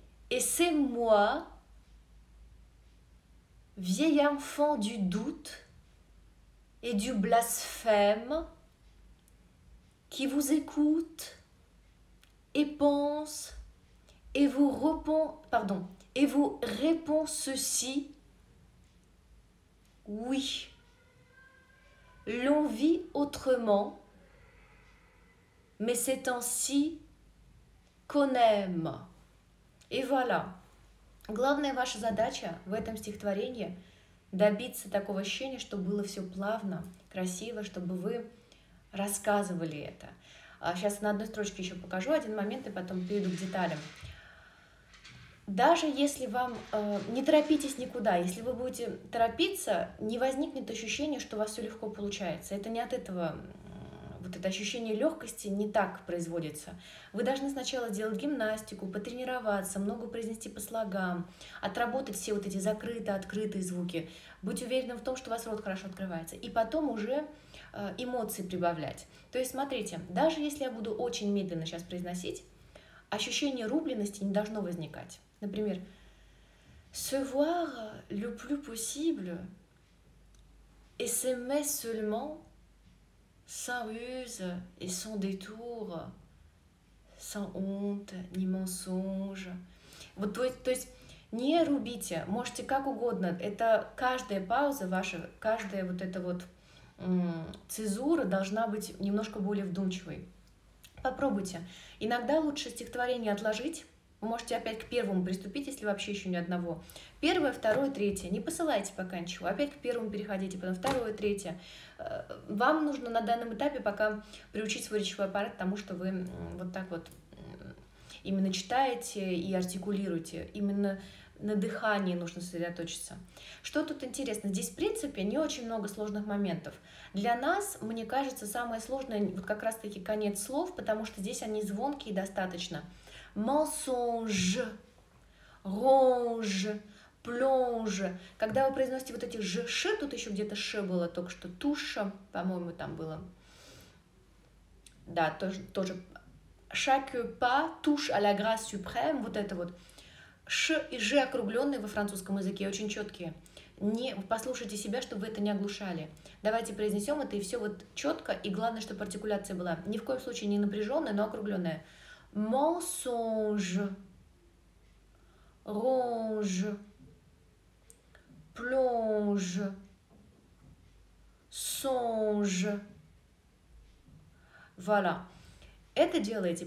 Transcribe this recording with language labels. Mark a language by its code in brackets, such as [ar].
[fr] Et c'est moi, vieil enfant du doute et du blasphème, qui vous écoute et pense et vous répond, pardon, et vous répond ceci. Oui, l'on vit autrement, mais c'est ainsi qu'on aime. И voilà. [ru] Главная ваша задача в этом стихотворении — добиться такого ощущения, чтобы было все плавно, красиво, чтобы вы рассказывали это. Сейчас на одной строчке еще покажу один момент, и потом перейду к деталям. Даже если вам... не торопитесь никуда. Если вы будете торопиться, не возникнет ощущение, что у вас все легко получается. Это не от этого... Вот это ощущение легкости не так производится. Вы должны сначала делать гимнастику, потренироваться, много произнести по слогам, отработать все вот эти закрытые-открытые звуки, быть уверенным в том, что у вас рот хорошо открывается, и потом уже эмоции прибавлять. То есть смотрите, даже если я буду очень медленно сейчас произносить, ощущение рубленности не должно возникать. Например, [fr] «Se voir le plus possible et s'aimer seulement sans ruse et sans détour, sans honte, ни mensonge». [ru] Вот, то есть не рубите, можете как угодно, это каждая пауза ваша, каждая вот эта вот цезура должна быть немножко более вдумчивой. Попробуйте. Иногда лучше стихотворение отложить. Вы можете опять к первому приступить, если вообще еще ни одного. Первое, второе, третье. Не посылайте пока ничего. Опять к первому переходите, потом второе, третье. Вам нужно на данном этапе пока приучить свой речевой аппарат к тому, что вы вот так вот именно читаете и артикулируете. Именно на дыхании нужно сосредоточиться. Что тут интересно? Здесь, в принципе, не очень много сложных моментов. Для нас, мне кажется, самое сложное вот как раз-таки конец слов, потому что здесь они звонкие достаточно. [fr] Mensonge, ronge, plonge. [ru] Когда вы произносите вот эти ж, ш, тут еще где-то ш было только что, туша, по-моему, там было. Да, тоже. [fr] Chaque pas touche à la grâce suprême. [ru] Вот это вот. Ш и ж округленные во французском языке, очень четкие. Не послушайте себя, чтобы вы это не оглушали. Давайте произнесем это, и все вот четко, и главное, чтобы артикуляция была ни в коем случае не напряженная, но округленная. [fr] Mensonge, ronge, plonge, songe. Voilà. [ru] Это делаете.